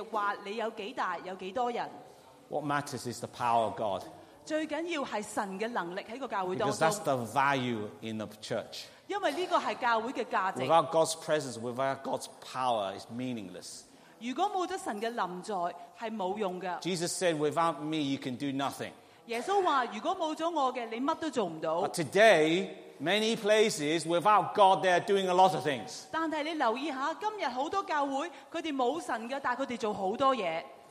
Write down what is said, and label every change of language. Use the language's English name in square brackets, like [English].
[Chinese] 你要明白,教會不是說你有多大,有多少人。 [English] What matters is the power of God. [Chinese] 最重要是神的能力在教會當中。 [English] Because that's the value in the church. [Chinese] 因為這個是教會的價值。 [English] Without God's presence, without God's power, it's meaningless. [Chinese] 如果沒有神的臨在,是沒有用的。 [English] Jesus said, without me, you can do nothing. [Chinese] 耶穌說,如果沒有了我的,你什麼都做不到。 [English] But today, many places, without God, they are doing a lot of things. [Chinese] 但是你留意一下,今天很多教會,他們沒有神的,但他們做很多事。